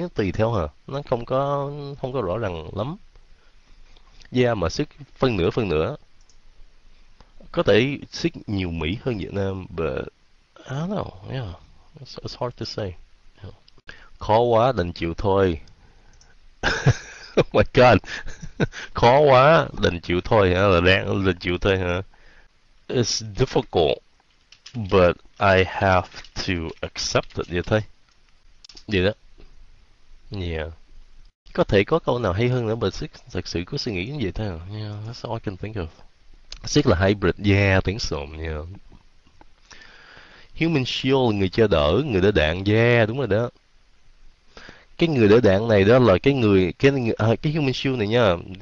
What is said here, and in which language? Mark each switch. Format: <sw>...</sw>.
<vi>Nó tùy theo hả, nó không có rõ ràng lắm. Mà sức phân nửa có thể sức nhiều Mỹ hơn Việt Nam,</vi> <en>but I don't know, it's hard to say.</en> <vi>Khó quá đành chịu thôi.</vi> <en>Oh my god.</en> <vi>Khó quá đành chịu thôi hả? Là đang đành chịu thôi hả?</vi> <en>It's difficult, but I have to accept it.</en> <vi>Vậy thôi. Vậy đó. Có thể có câu nào hay hơn nữa, mà Sik thật sự có suy nghĩ như vậy thôi.</vi> <en>That's all I can think of.</en> <vi>Sik là hybrid. Tiếng xồm nha. Human shield, người che đỡ, người đỡ đạn. Đúng rồi đó. Cái người đỡ đạn này đó là cái người cái human shield này nha.</vi>